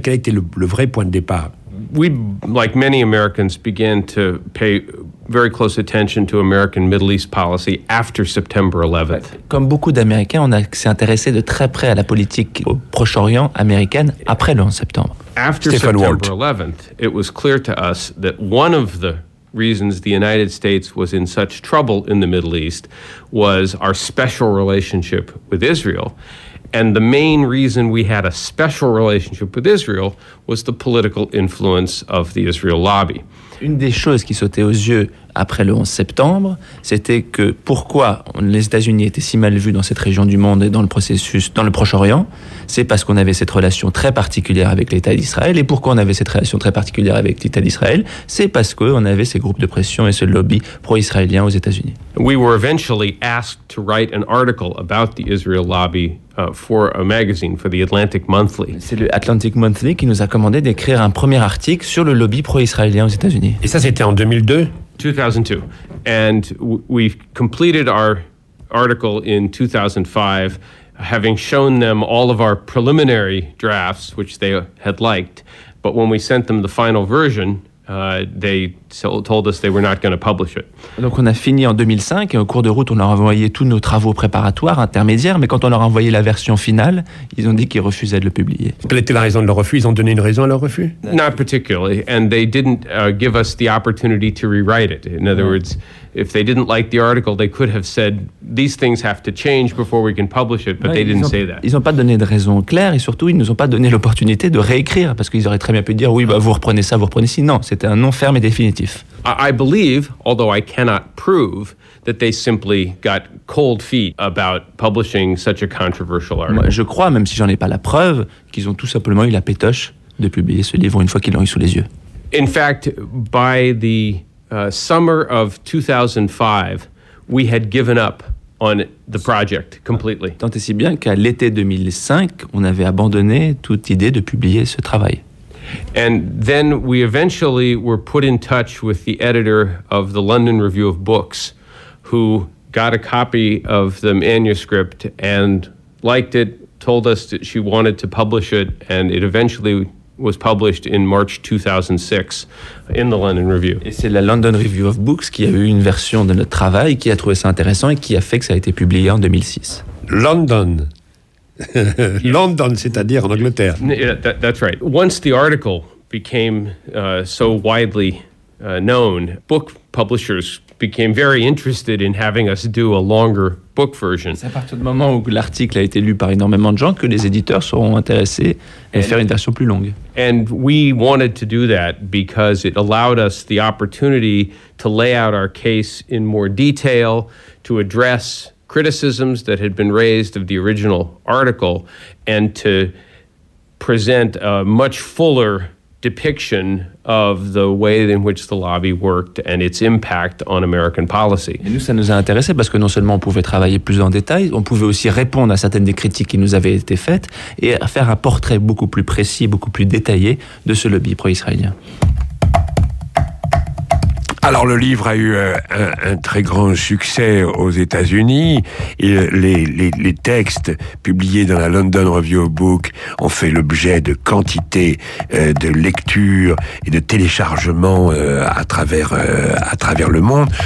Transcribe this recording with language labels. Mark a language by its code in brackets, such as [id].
[fr] Quel a été le vrai point de départ? [en] We, like many Americans, began to pay very close attention to American Middle East policy after September 11th. [fr] Comme beaucoup d'Américains, on s'est intéressé de très près à la politique au Proche-Orient américaine après le 11 septembre. [en] After Stephen September Walt. 11th, it was clear to us that one of the reasons the United States was in such trouble in the Middle East was our special relationship with Israel. And the main reason we had a special relationship with Israel was the political influence of the Israel lobby. [fr] Une des choses qui sautait aux yeux après le 11 septembre, c'était que pourquoi les États-Unis étaient si mal vus dans cette région du monde et dans le processus dans le Proche-Orient, c'est parce qu'on avait cette relation très particulière avec l'État d'Israël. Et pourquoi on avait cette relation très particulière avec l'État d'Israël, c'est parce qu'on avait ces groupes de pression et ce lobby pro-israélien aux États-Unis. [en] We were eventually asked to write an article about the Israel lobby for a magazine, for the Atlantic Monthly. [fr] C'est le Atlantic Monthly qui nous a commandé d'écrire un premier article sur le lobby pro-israélien aux États-Unis. Et ça, c'était en 2002. 2002. [en] And we completed our article in 2005, having shown them all of our preliminary drafts, which they had liked. But when we sent them the final version, they told us they were not going to publish it. [fr] Donc on a fini en 2005, et au cours de route, on leur a envoyé tous nos travaux préparatoires, intermédiaires, mais quand on leur a envoyé la version finale, ils ont dit qu'ils refusaient de le publier. Quelle était la raison de leur refus? Ils ont donné une raison à leur refus? [en] Not particularly, and they didn't give us the opportunity to rewrite it. In other words, if they didn't like the article, they could have said, these things have to change before we can publish it, but they didn't say that. [fr] Ils n'ont pas donné de raison claire, et surtout, ils ne nous ont pas donné l'opportunité de réécrire, parce qu'ils auraient très bien pu dire, oui, bah, vous reprenez ça, vous reprenez ci. Non, c'était un non ferme et définitif. [en] I believe, although I cannot prove, that they simply got cold feet about publishing such a controversial article. [fr] Moi, je crois, même si j'en ai pas la preuve, qu'ils ont tout simplement eu la pétoche de publier ce livre une fois qu'ils l'ont eu sous les yeux. [en] In fact, by the summer of 2005, we had given up on the project completely. [fr] Tant et si bien qu'à l'été 2005, on avait abandonné toute idée de publier ce travail. [en] And then we eventually were put in touch with the editor of the London Review of Books, who got a copy of the manuscript and liked it, told us that she wanted to publish it, and it eventually was published in March 2006 in the London Review. [fr] Et c'est la London Review of Books qui a eu une version de notre travail, qui a trouvé ça intéressant et qui a fait que ça a été publié en 2006. London. London, c'est-à-dire en Angleterre. [en] Yeah, that's right. Once the article became so widely known, book publishers became very interested in having us do a longer book version. [fr] C'est à partir du moment où l'article a été lu par énormément de gens que les éditeurs seront intéressés à faire une version plus longue. [en] And we wanted to do that because it allowed us the opportunity to lay out our case in more detail, to address criticisms that had been raised of the original article, and to present a much fuller depiction of the way in which the lobby worked and its impact on American policy. [fr] Et nous, ça nous a intéressé parce que non seulement on pouvait travailler plus en détail, on pouvait aussi répondre à certaines des critiques qui nous avaient été faites et faire un portrait beaucoup plus précis, beaucoup plus détaillé de ce lobby pro-israélien. Alors le livre a eu un très grand succès aux États-Unis et les textes publiés dans la London Review of Books ont fait l'objet de quantité de lectures et de téléchargements à travers le monde.